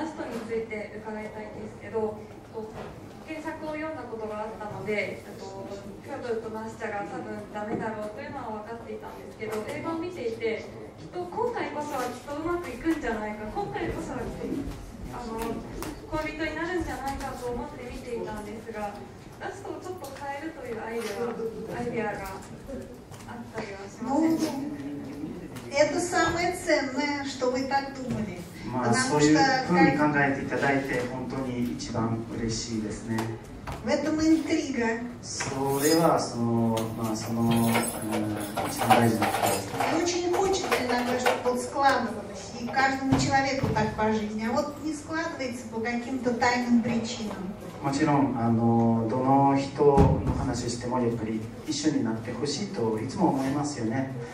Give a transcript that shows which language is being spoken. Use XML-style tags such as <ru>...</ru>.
<ja>について伺いたいんですけど、原作を読んだことがあったので、クブとマスチャが多分ダメだろうというのは分かっていたんですけど、映画を見ていて、きっと今回こそはきっとうまくいくんじゃないか、今回こそはきっと恋人になるんじゃないかと思って見ていたんですが、ラストをちょっと変えるというアイデアがあったりはしませんか？</ja> <ru>Это самое ценное, что вы так думали.</ru> <ja>まあ、そういうふうに考えていただいて本当に一番嬉しいですね。</ja> <ru>В этом интрига.</ru> <ja>それはその、まあ、その、一番大事なことです。</ja> <ru>И очень хочется иногда, чтобы вот складывалось. И каждому человеку так по жизни. А вот не складывается по каким-то тайным причинам.</ru> <ja>もちろん、どの人の話してもやっぱり一緒になってほしいといつも思いますよね。</ja>